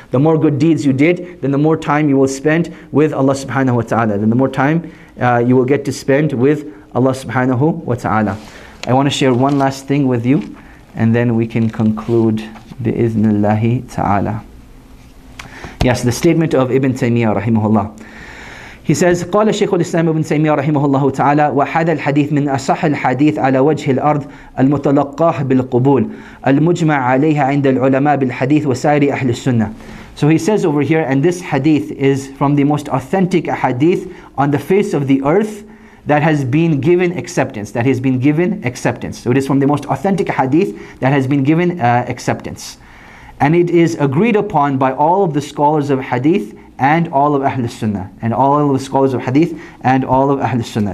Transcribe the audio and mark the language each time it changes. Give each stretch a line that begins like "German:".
English: The more good deeds you did, then the more time you will spend with Allah subhanahu wa ta'ala. Then the more time you will get to spend with Allah subhanahu wa ta'ala. I want to share one last thing with you, and then we can conclude bi-iznillahi ta'ala. Yes, the statement of Ibn Taymiyyah rahimahullah. He says,
Arabic: قال الشيخ الإسلام ابن تيمية رحمه الله تعالى وهذا الحديث من أصح الحديث على وجه الأرض المتلقاه بالقبول المجمع عليها عند العلماء بالحديث وسائر أهل السنة.
English: So he says over here, and this hadith is from the most authentic hadith on the face of the earth that has been given acceptance. That has been given acceptance. So it is from the most authentic hadith that has been given acceptance. And it is agreed upon by all of the scholars of hadith and all of Ahl Sunnah, and all of the scholars of Hadith, and all of Ahl Sunnah.